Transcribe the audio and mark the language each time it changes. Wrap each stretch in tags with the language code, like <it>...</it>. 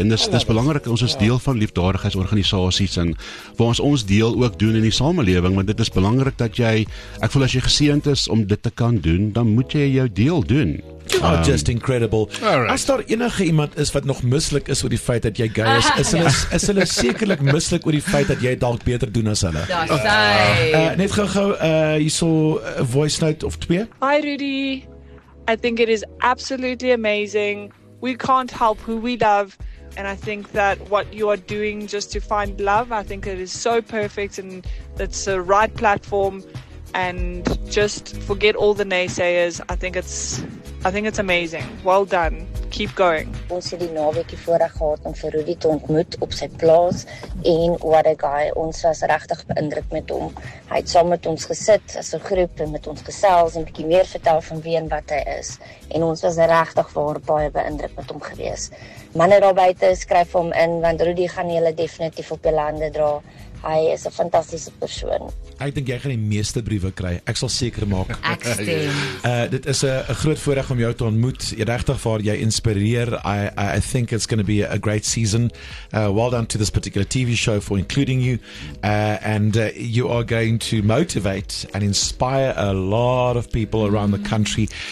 <af>En dis belangrik, ons is deel van liefdadigheidsorganisasies en waar ons deel ook doen in die samelewing, want dit is belangrik dat jy, ek voel as jy geseend is om dit te kan doen, dan moet jy jou deel doen.</af> <en>You are just incredible. Right.</en> <af>As daar enige iemand is wat nog misselik is oor die feit dat jy gay is, is hulle sekerlik misselik oor die feit dat jy dalk beter doen as hulle. Net gou-gou, hierso 'n voice note of 2.</af> <en>Hi Rudy, I think it is absolutely amazing. We can't help who we love. And I think that what you are doing just to find love, I think it is so perfect and it's the right platform. And just forget all the naysayers. I think it's amazing. Well done. Keep going.</en> <af>Ons het die naweekie voorreg gehad om vir Rudy te ontmoet op sy plaas en</af> <en>what a guy.</en> <af>Ons was regtig beïndruk met hom. Hy het saam met ons gesit as 'n groep en met ons gesels en 'n bietjie meer vertel van wie en wat hy is. En ons was regtig waar baie beïndruk met hom gewees. Manne daar buite, skryf hom in want Rudy gaan julle definitief op julle hande dra. Hy is 'n fantastiese persoon. Ek dink jy gaan die meeste briewe kry. Ek sal seker maak. Ek stem. Dit is 'n groot voorreg om jou te ontmoet. Jy regtig waar jy inspireer.</af> <en>I think it's going to be a great season. Well done to this particular TV show for including you. And you are going to motivate and inspire a lot of people around the country.</en>